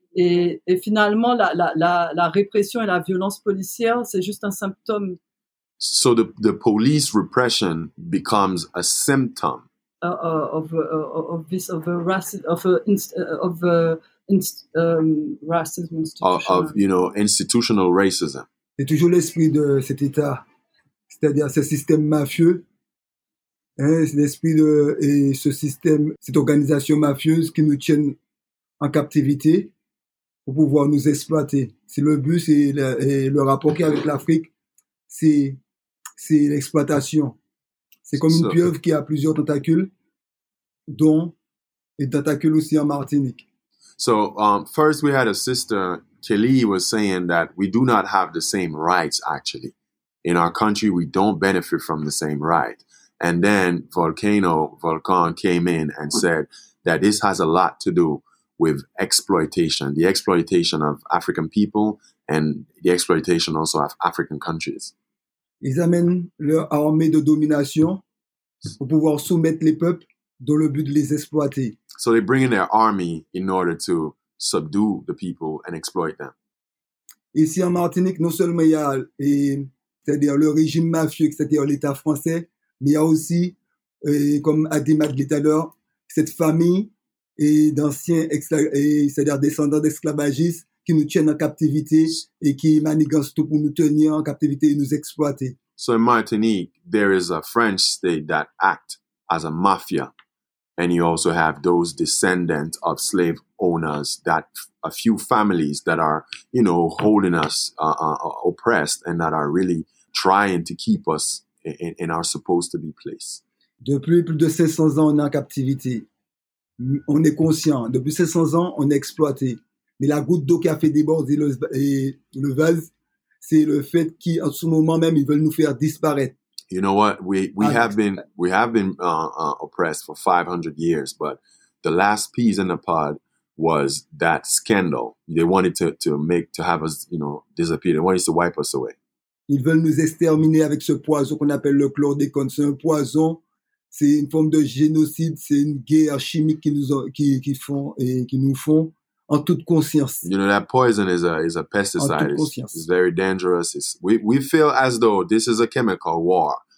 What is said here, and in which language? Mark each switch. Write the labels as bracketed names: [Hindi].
[French] Et finalement, la répression et la violence policière, c'est juste un symptôme. [English] So the police repression becomes a symptom of this of a racist of a, of a racism of you know institutional racism. [French] C'est toujours l'esprit de cet état, c'est-à-dire ce système mafieux. Hein, c'est l'esprit de et ce système, cette organisation mafieuse qui nous tienne en captivité pour pouvoir nous exploiter. C'est le but, c'est le rapport qu'il y a avec l'Afrique, c'est l'exploitation. C'est comme une pieuvre qui a plusieurs tentacules, dont et tentacules aussi en Martinique. [English] So first, we had a sister Kelly was saying that we do not have the same rights actually in our country. We don't benefit from the same right. And then Volcan came in and said that this has a lot to do with exploitation, the exploitation of African people and the exploitation also of African countries. [French] Ils amènent leur armée de domination pour pouvoir soumettre les peuples dans le but de les exploiter. [English] So they bring in their army in order to subdue the people and exploit them. [French] Ici en Martinique, non seulement il y a c'est-à-dire le régime mafieux, c'est-à-dire l'État français, mais il y a aussi, comme a dit Matt tout à l'heure, cette famille et d'anciens, c'est-à-dire descendants d'esclavagistes qui nous tiennent en captivité et qui manigancent tout pour nous tenir en captivité et nous exploiter. [English] So in Martinique, there is a French state that acts as a mafia. And you also have those descendants of slave owners, that a few families that are, you know, holding us oppressed and that are really trying to keep us in our supposed to be place. [French] Depuis plus de 500 ans, on est en captivité. On est conscient. Depuis 500 ans, on est exploité. Mais la goutte d'eau qui a fait déborder le vase, c'est le fait qu'en ce moment même, ils veulent nous faire disparaître. [English] You know what? We have been oppressed for 500 years, but the last piece in the pod was that scandal. They wanted to have us, you know, disappear. They wanted to wipe us away. [French] Ils veulent nous exterminer avec ce poison qu'on appelle le chlordécone. C'est un poison. C'est une forme de génocide. C'est une guerre chimique qui nous font en toute conscience. [English] You know that poison is a pesticide. It's very dangerous. We feel as though this is a chemical war.